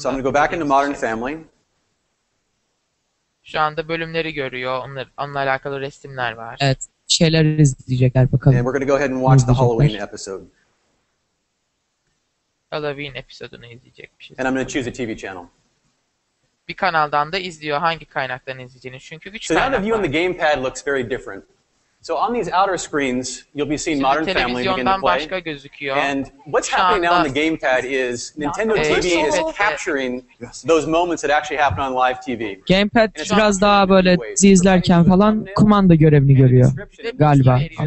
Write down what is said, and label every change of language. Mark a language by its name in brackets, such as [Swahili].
[English] So I'm going to go back into Modern Family. [Turkish] Şu anda bölümleri görüyor. Onunla alakalı resimler var. Evet, şeyler izleyecekler bakalım. [English] And we're going to go ahead and watch the Halloween episode. [Turkish] Halloween episodunu izleyecekmişiz. [English] And I'm going to choose a TV channel. [Turkish] Bir kanaldan da izliyor hangi kaynaktan izleyeceğini çünkü güç [English] so now the view on the gamepad looks very different. So on these outer screens, you'll be seeing Modern Family begin to play. [Turkish] Başka gözüküyor. [English] And what's happening now on the gamepad is Nintendo TV is capturing those moments that actually happen on live TV. [Turkish] Gamepad biraz daha böyle dizi izlerken falan kumanda görevini görüyor galiba.